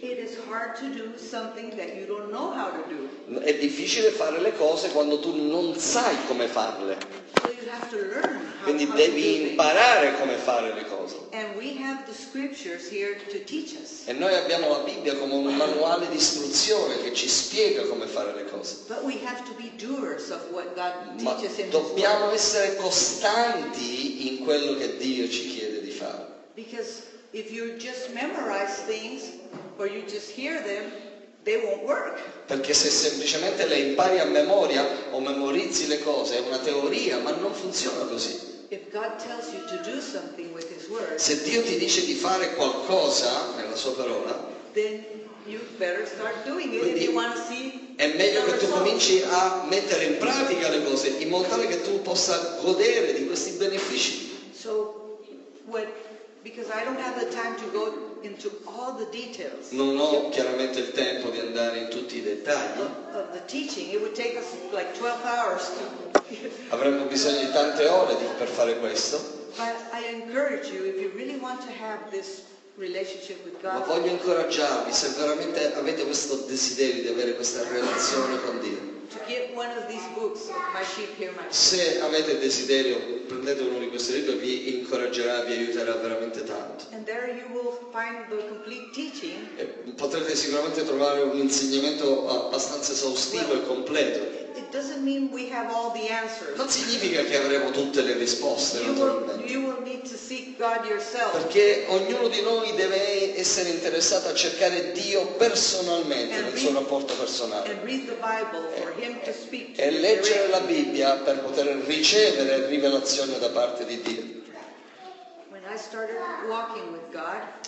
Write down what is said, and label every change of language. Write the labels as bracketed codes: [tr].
[en] It is hard to do something that you don't know how to do. [it] È difficile fare le cose quando tu non sai come farle. [en] So you have to learn how, [it] Quindi [en] how [it] devi [en] to do [it] imparare [en] things. [it] Come fare le cose. [en] And we have the scriptures here to teach us. [it] E noi abbiamo la Bibbia come un manuale di istruzione che ci spiega come fare le cose. [en] But we have to be doers of what God teaches in [it] Dobbiamo essere costanti in quello che Dio ci chiede di fare. [en] Because If you just memorize things or you just hear them, they won't work. [it] Perché se semplicemente le impari a memoria o memorizzi le cose è una teoria, ma non funziona così. [en] If God tells you to do something with his word, [it] se Dio ti dice di fare qualcosa nella sua parola, [en] then you better start doing it if you want to see. [it] È meglio che tu cominci a mettere in pratica le cose in modo tale che tu possa godere di questi benefici. [en] So what, because I don't have the time to go into all the details. [it] Non ho chiaramente il tempo di andare in tutti i dettagli. [en] Of the teaching, it would take us like 12 hours to... [it] Avremmo bisogno di tante ore per fare questo. [en] But I encourage you, if you really want to have this relationship with God. [it] Ma voglio incoraggiarvi, se veramente avete questo desiderio di avere questa relazione con Dio. [en] To get one of these books, My Sheep Hear My Voice. [it] Se avete desiderio, prendete uno di questi libri, vi incoraggerà, vi aiuterà veramente tanto. [en] And there you will find the complete teaching. [it] E potrete sicuramente trovare un insegnamento abbastanza esaustivo e completo. [en] It doesn't mean we have all the answers. [it] Non significa che avremo tutte le risposte, naturalmente. Perché ognuno di noi deve essere interessato a cercare Dio personalmente nel suo rapporto personale. [en] And read the Bible for him to speak to [it] e leggere la Bibbia per poter ricevere rivelazione da parte di Dio. [en] When I started walking with God,